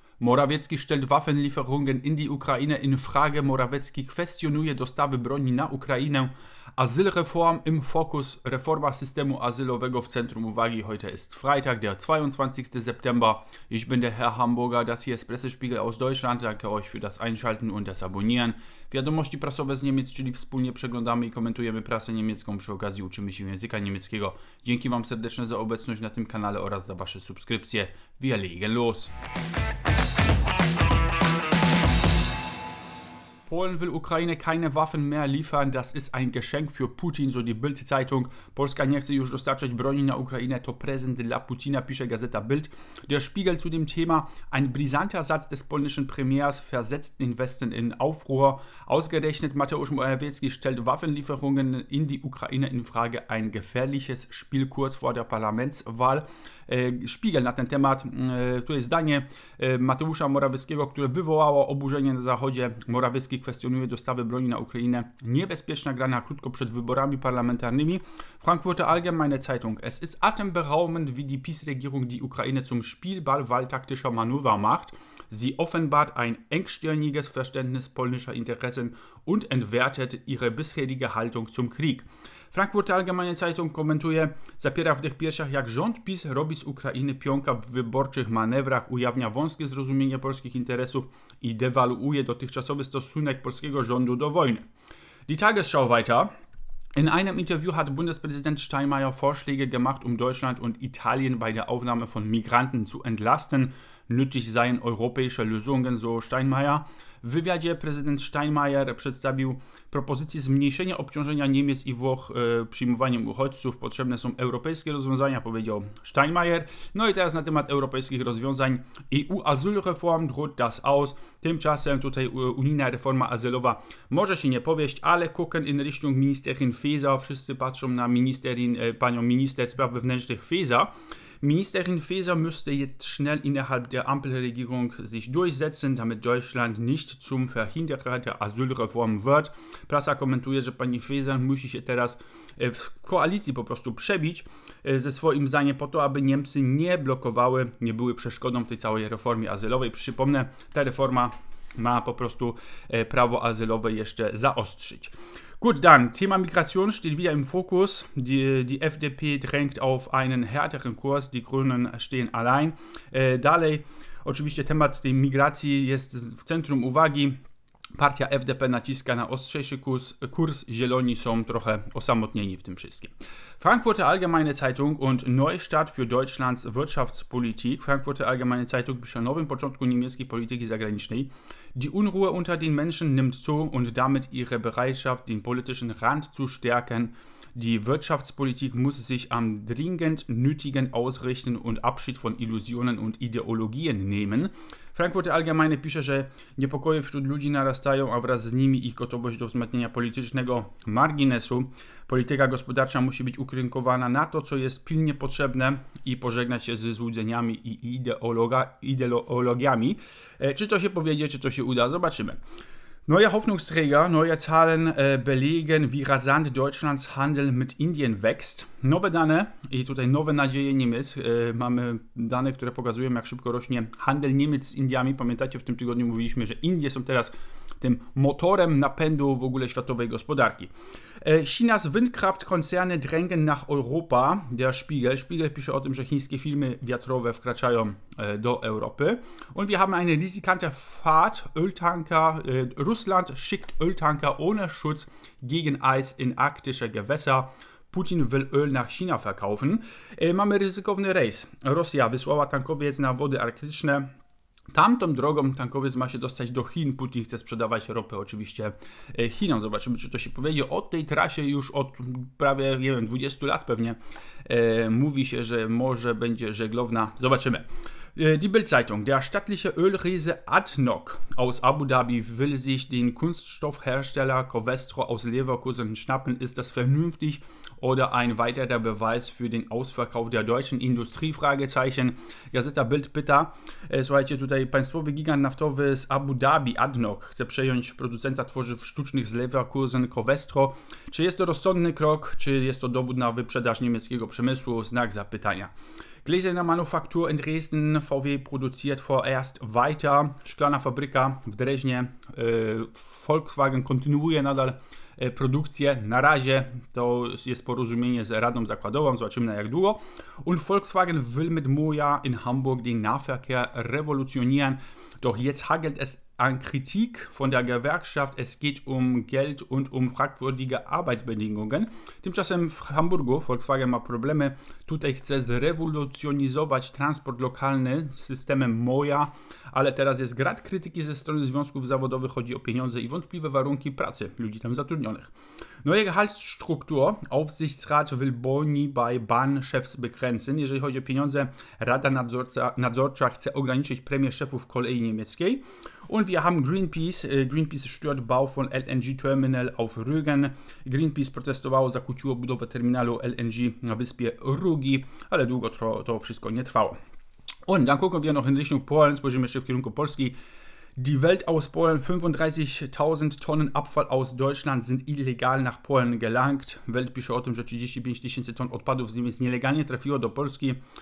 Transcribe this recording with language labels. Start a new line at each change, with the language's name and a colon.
German: Morawiecki stellt Waffenlieferungen in die Ukraine in Frage.
Polish: Morawiecki kwestionuje dostawy broni na Ukrainę.
German: Asylreform im Fokus.
Polish: Reforma systemu asylowego w centrum uwagi.
German: Heute ist Freitag, der 22. September. Ich bin der Herr Hamburger. Das hier ist Pressespiegel aus Deutschland. Danke euch für das Einschalten und das Abonnieren.
Polish: Wiadomości prasowe z Niemiec, czyli wspólnie przeglądamy i komentujemy prasę niemiecką. Przy okazji uczymy się języka niemieckiego. Dzięki wam serdeczne za obecność na tym kanale oraz za wasze subskrypcje.
German: Wir legen los! Polen will Ukraine keine Waffen mehr liefern, das ist ein Geschenk für Putin, so die Bild-Zeitung.
Polish: Polska nie chce już dostarczać broni na Ukrainę, to prezent dla Putina, pisze Gazeta Bild.
German: Der Spiegel zu dem Thema, ein brisanter Satz des polnischen Premiers versetzt den Westen in Aufruhr. Ausgerechnet Mateusz Morawiecki stellt Waffenlieferungen in die Ukraine in Frage, ein gefährliches Spiel kurz vor der Parlamentswahl.
Polish: Spiegel na ten temat, tu jest zdanie Mateusza Morawieckiego, które wywołało oburzenie na Zachodzie. Morawiecki kwestionuje dostawy broni na Ukrainę. Niebezpieczna gra na krótko przed wyborami parlamentarnymi.
German: Frankfurter Allgemeine Zeitung. Es ist atemberaubend, wie die PiS-Regierung die Ukraine zum Spielball wahltaktischer Manöver macht. Sie offenbart ein engstirniges Verständnis polnischer Interessen und entwertet ihre bisherige Haltung zum Krieg.
Polish: Frankfurter Allgemeine Zeitung komentuje, zapiera w tych piersiach, jak rząd PiS robi z Ukrainy pionka w wyborczych manewrach, ujawnia wąskie zrozumienie polskich interesów i dewaluuje dotychczasowy stosunek polskiego rządu do wojny.
German: Die Tagesschau weiter. In einem Interview hat Bundespräsident Steinmeier Vorschläge gemacht, um Deutschland und Italien bei der Aufnahme von Migranten zu entlasten. Nötig seien europäische Lösungen, so Steinmeier.
Polish: W wywiadzie prezydent Steinmeier przedstawił propozycję zmniejszenia obciążenia Niemiec i Włoch przyjmowaniem uchodźców. Potrzebne są europejskie rozwiązania, powiedział Steinmeier. No i teraz na temat europejskich rozwiązań.
German: EU-Asylreform droht das aus.
Polish: Tymczasem tutaj unijna reforma azylowa może się nie powieść, ale
German: gucken in Richtung Ministerin Faeser.
Polish: Wszyscy patrzą na panią minister spraw wewnętrznych Faeser.
German: Ministerin Faeser müsste jetzt schnell innerhalb der Ampelregierung sich durchsetzen, damit Deutschland nicht zum Verhinderer der Asylreform wird.
Polish: Prasa komentuje, że pani Faeser musi się teraz w koalicji po prostu przebić ze swoim zdaniem po to, aby Niemcy nie blokowały, nie były przeszkodą tej całej reformie azylowej. Przypomnę, ta reforma ma po prostu prawo azylowe jeszcze zaostrzyć.
German: Gut, dann, Thema Migration steht wieder im Fokus. Die FDP drängt auf einen härteren Kurs, die Grünen stehen allein.
Polish: Dalej, oczywiście temat tej migracji jest w centrum uwagi. Partia FDP naciska na ostrzejszy kurs, Zieloni są trochę osamotnieni w tym wszystkim.
German: Frankfurter Allgemeine Zeitung und Neustart für Deutschlands Wirtschaftspolitik.
Polish: Frankfurter Allgemeine Zeitung pisze o nowym początku niemieckiej polityki zagranicznej.
German: Die Unruhe unter den Menschen nimmt zu und damit ihre Bereitschaft, den politischen Rand zu stärken. Die Wirtschaftspolitik muss sich am dringend Nötigen ausrichten und Abschied von Illusionen und Ideologien nehmen.
Polish: Frankfurter Allgemeine pisze, że niepokoje wśród ludzi narastają, a wraz z nimi ich gotowość do wzmacniania politycznego marginesu. Polityka gospodarcza musi być ukierunkowana na to, co jest pilnie potrzebne i pożegnać się ze złudzeniami i ideologiami. Czy to się powiedzie, czy to się uda? Zobaczymy.
German: Neue Hoffnungsträger, neue Zahlen belegen, wie rasant Deutschlands Handel mit Indien wächst.
Polish: Nowe dane i tutaj nowe nadzieje Niemiec. Mamy dane, które pokazują, jak szybko rośnie handel Niemiec z Indiami. Pamiętacie, w tym tygodniu mówiliśmy, że Indie są teraz tym motorem napędu w ogóle światowej gospodarki.
German: Chinas Windkraftkonzerne drängen nach Europa. Der Spiegel.
Polish: Spiegel pisze o tym, że chińskie firmy wiatrowe wkraczają do Europy.
German: Und wir haben eine riskante Fahrt. Öltanker. Russland schickt Öltanker ohne Schutz gegen Eis in arktische Gewässer. Putin will Öl nach China verkaufen.
Polish: Mamy ryzykowny rejs. Rosja wysłała tankowiec na wody arktyczne. Tamtą drogą tankowiec ma się dostać do Chin. Putin chce sprzedawać ropę oczywiście Chinom. Zobaczymy, czy to się powiedzie. O tej trasie już od prawie, nie wiem, 20 lat pewnie mówi się, że może będzie żeglowna. Zobaczymy. Die Bild-Zeitung.
German: Der stattliche Ölriese ADNOC aus Abu Dhabi will sich den Kunststoffhersteller Covestro aus Leverkusen schnappen. Ist das vernünftig oder ein weiterer Beweis für den Ausverkauf der deutschen Industrie? Fragezeichen.
Polish: Gazeta Bild pyta. Słuchajcie, tutaj państwowy gigant naftowy z Abu Dhabi, ADNOC, chce przejąć producenta tworzyw sztucznych z Leverkusen Covestro. Czy jest to rozsądny krok? Czy jest to dowód na wyprzedaż niemieckiego przemysłu? Znak zapytania.
German: Gläserne Manufaktur in Dresden, VW produziert vorerst weiter.
Polish: Szklana Fabryka w Dreźnie, Volkswagen kontynuuje nadal produkcję. Na razie to jest porozumienie z Radą Zakładową, zobaczymy na jak długo.
German: Und Volkswagen will mit Moja in Hamburg den Nahverkehr revolutionieren. Doch jetzt hagelt es an Kritik von der Gewerkschaft. Es geht um Geld und um fragwürdige Arbeitsbedingungen.
Polish: Tymczasem w Hamburgu Volkswagen ma problemy. Tutaj chce zrewolucjonizować transport lokalny systemem Moja, ale teraz jest grad krytyki ze strony związków zawodowych. Chodzi o pieniądze i wątpliwe warunki pracy ludzi tam zatrudnionych.
German: Neue Gehaltsstruktur. Aufsichtsrat will Boni bei Bahnchefs begrenzen.
Polish: Jeżeli chodzi o pieniądze, Rada Nadzorcza chce ograniczyć premię szefów kolei niemieckiej.
German: Und wir haben Greenpeace. Greenpeace stört Bau von LNG-Terminal auf Rügen.
Polish: Greenpeace protestowało, zakłóciło budowę terminalu LNG na wyspie Rugi, ale długo to wszystko nie trwało.
German: Und dann gucken wir noch in Richtung Polen.
Polish: Spojrzymy jeszcze w kierunku Polski.
German: Die Welt aus Polen, 35.000 Tonnen Abfall aus Deutschland sind illegal nach Polen gelangt.
Polish: Welt pisze o tym, że 35 tysięcy ton odpadów z Niemiec nielegalnie trafiło do Polski.